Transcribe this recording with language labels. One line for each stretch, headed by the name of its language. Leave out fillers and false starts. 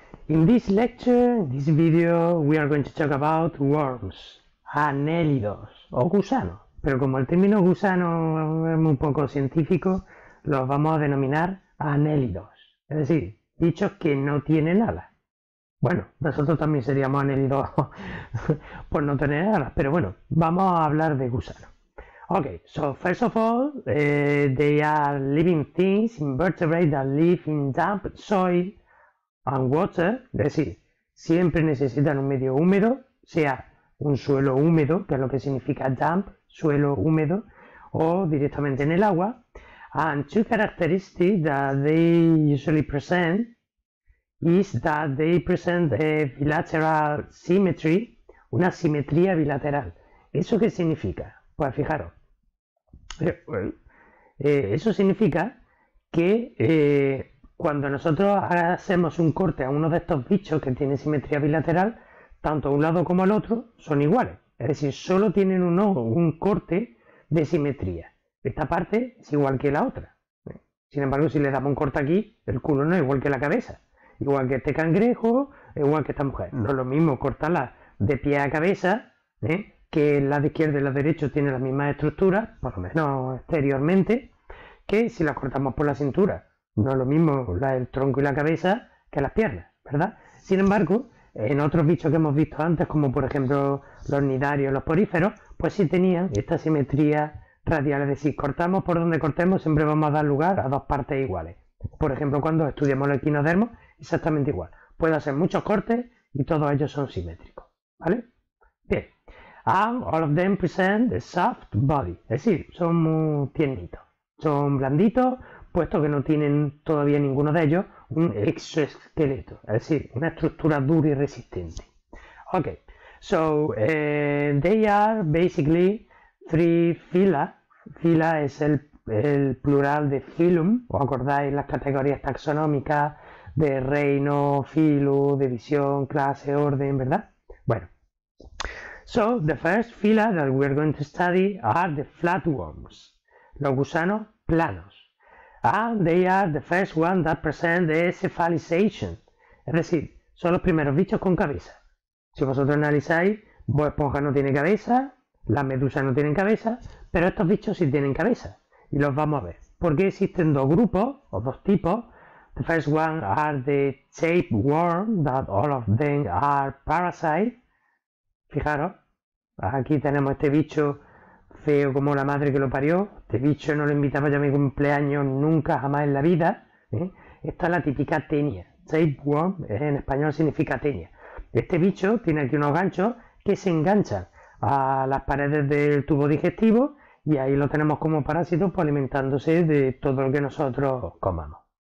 English: In this lecture, in this video, we are going to talk about worms,
Spanish: anélidos o gusano. Pero como el término gusano es muy poco científico, los vamos a denominar anélidos. Es decir, bichos que no tienen alas. Bueno, nosotros también seríamos anélidos por no tener alas, pero bueno, vamos a hablar de gusano.
English: Okay, so first of all, they are living things, invertebrates that live in damp soil and water.
Spanish: Es decir, siempre necesitan un medio húmedo, sea un suelo húmedo, que es lo que significa damp, suelo húmedo, o directamente en el agua.
English: And two characteristics that they usually present is that they present a bilateral symmetry,
Spanish: una simetría bilateral. ¿Eso qué significa? Pues fijaros. Eso significa que cuando nosotros hacemos un corte a uno de estos bichos que tiene simetría bilateral, tanto a un lado como al otro son iguales. Es decir, solo tienen un ojo, un corte de simetría. Esta parte es igual que la otra. Sin embargo, si le damos un corte aquí, el culo no es igual que la cabeza. Igual que este cangrejo, igual que esta mujer. No es lo mismo cortarla de pie a cabeza, ¿eh? Que la de izquierda y la de derecha tienen las mismas estructuras, por lo menos exteriormente, que si las cortamos por la cintura. No es lo mismo el tronco y la cabeza que las piernas, ¿verdad? Sin embargo, en otros bichos que hemos visto antes, como por ejemplo los cnidarios, los poríferos, pues sí tenían esta simetría radial. Es decir, cortamos por donde cortemos, siempre vamos a dar lugar a dos partes iguales. Por ejemplo, cuando estudiamos los equinodermos, exactamente igual. Puedo hacer muchos cortes y todos ellos son simétricos, ¿vale? Bien.
English: And all of them present a soft body.
Spanish: Es decir, son muy tiernitos. Son blanditos, puesto que no tienen todavía ninguno de ellos un exoesqueleto. Es decir, una estructura dura y resistente.
English: Ok, so they are basically three phyla.
Spanish: Phyla es el plural de phylum. ¿Os acordáis las categorías taxonómicas de reino, filo, división, clase, orden, verdad? Bueno.
English: So, the first phyla that we are going to study are the flatworms,
Spanish: los gusanos planos.
English: And they are the first one that present the cephalization.
Spanish: Es decir, son los primeros bichos con cabeza. Si vosotros analizáis, vos esponja no tiene cabeza, las medusas no tienen cabeza, pero estos bichos sí tienen cabeza. Y los vamos a ver. Porque existen dos grupos o dos tipos.
English: The first one are the tapeworm, that all of them are parasites.
Spanish: Fijaros, aquí tenemos este bicho feo como la madre que lo parió. Este bicho no lo invitaba yo a mi cumpleaños nunca, jamás en la vida, ¿eh? Esta es la típica tenia. Tapeworm en español significa tenia. Este bicho tiene aquí unos ganchos que se enganchan a las paredes del tubo digestivo y ahí lo tenemos como parásito, pues, alimentándose de todo lo que nosotros comamos.